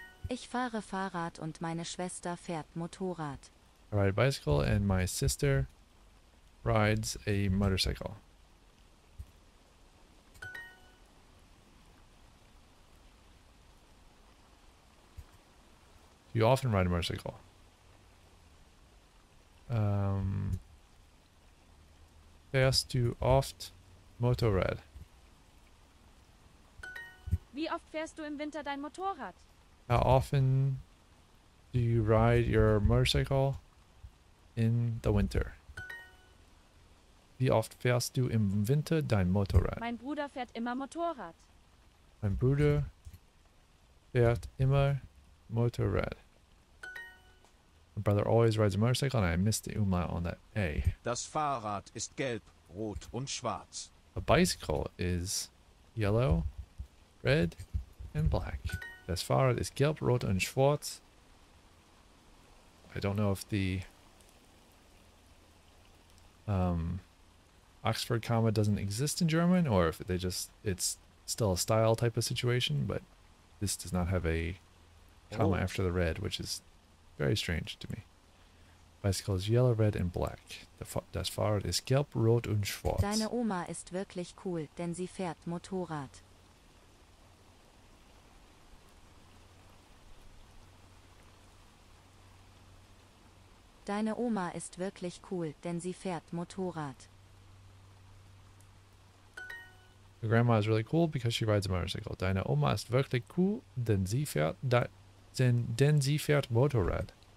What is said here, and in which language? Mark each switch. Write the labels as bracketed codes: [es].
[de] Ich fahre Fahrrad und meine Schwester fährt Motorrad. [en] I ride a bicycle and my sister rides a motorcycle. Do you often ride a motorcycle? [de] Fährst du oft Motorrad? Wie oft fährst du im Winter dein Motorrad? [en] How often do you ride your motorcycle in the winter? [de] Wie oft fährst du im Winter dein Motorrad? Mein Bruder fährt immer Motorrad. Mein Bruder fährt immer Motorrad. [en] My brother always rides a motorcycle and I missed the umlaut on that A. [de] Das Fahrrad ist gelb, rot und schwarz. [en] A bicycle is yellow, red and black. [de] Das Fahrrad ist gelb, rot und schwarz. [en] I don't know if the Oxford comma doesn't exist in German or if they just it's still a style type of situation, but this does not have a comma after the red, which is very strange to me. Bicycle is yellow, red and black. [de] Das Fahrrad ist gelb, rot und schwarz. Deine Oma ist wirklich cool, denn sie fährt Motorrad. Deine Oma ist wirklich cool, denn sie fährt Motorrad. [en] Your grandma is really cool because she rides a motorcycle. [de] Deine Oma ist wirklich cool, denn sie fährt denn sie fährt Motorrad.